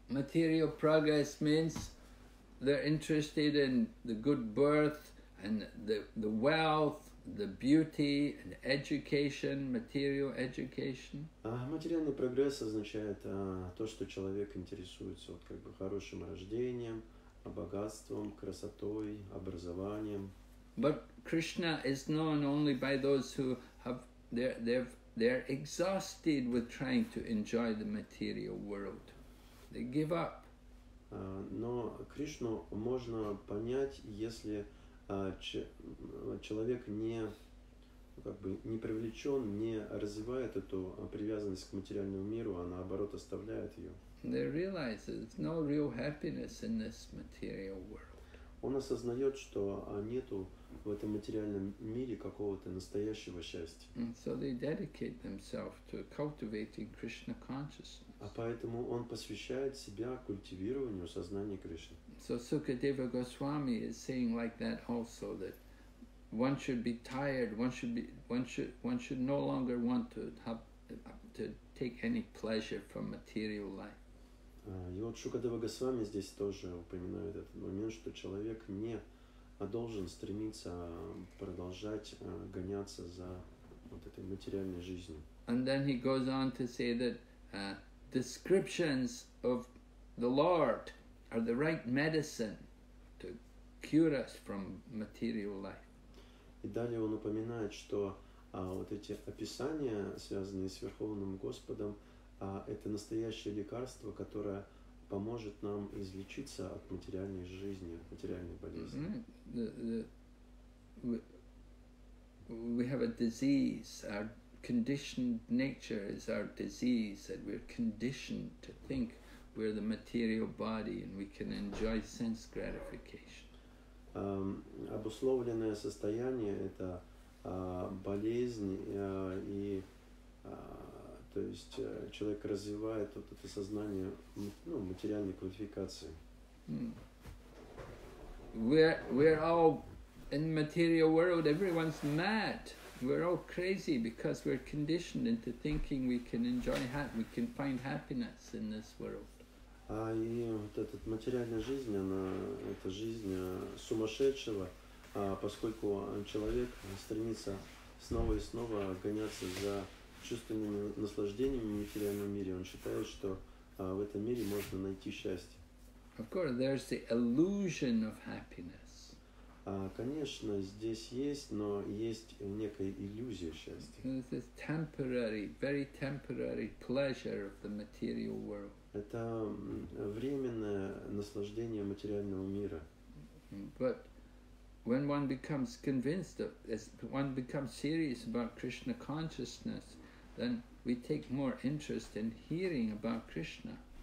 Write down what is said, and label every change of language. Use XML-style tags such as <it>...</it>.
<en>Material progress means they're interested in the good birth and the wealth, the beauty and education, material education.</en> <ru>Материальный прогресс означает то, что человек интересуется вот как бы хорошим рождением, богатством, красотой, образованием.</ru> <en>But Krishna is known only by those who have they're exhausted with trying to enjoy the material world. They give up.</en> <ru>Но Кришну можно понять, если человек не как бы не привлечен, не развивает эту привязанность к материальному миру, а наоборот оставляет ее.</ru> <en>They realize that there's no real happiness in this material world.</en> <ru>Он осознает, что нету в этом материальном мире какого-то настоящего счастья.</ru> <en>And so they dedicate themselves to cultivating Krishna consciousness.</en> <ru>А поэтому он посвящает себя культивированию сознания Кришны.</ru> <en>So Sukadeva Goswami is saying like that also, that one should be tired, one should no longer want to take any pleasure from material life.</en> <ru>И вот Шукадева Госвами здесь тоже упоминает этот момент, что человек не должен стремиться продолжать гоняться за вот этой материальной жизнью.</ru> <en>And then he goes on to say that descriptions of the Lord are the right medicine to cure us from material life.</en> <ru>И далее он упоминает, что вот эти описания, связанные с Верховным Господом, это настоящее лекарство, которое поможет нам излечиться от материальной жизни, от материальной болезни. Mm-hmm.</ru> <en>We have a disease. Our conditioned nature is our disease, and we're conditioned to think we're the material body, and we can enjoy sense gratification.</en> <ru>Обусловленное состояние – это болезнь и то есть человек развивает вот это сознание, ну, материальной квалификации.</ru> <en>We're all in material world, everyone's mad. We're all crazy because we're conditioned into thinking we can enjoy we can find happiness in this world.</en> <ru>А и вот эта материальная жизнь, она это жизнь сумасшедшего, поскольку человек стремится снова и снова гоняться за чувственными наслаждениями в материальном мире, он считает, что в этом мире можно найти счастье.</ru> <en>Of course, there's the illusion of happiness.</en> <ru>Конечно, здесь есть, но есть некая иллюзия счастья.</ru> <en>There's this temporary, very temporary pleasure of the material world.</en> <ru>Это временное наслаждение материального мира.</ru> <en>But when one becomes convinced of, as one becomes serious about Krishna consciousness, then we take more interest in hearing about Krishna.</en>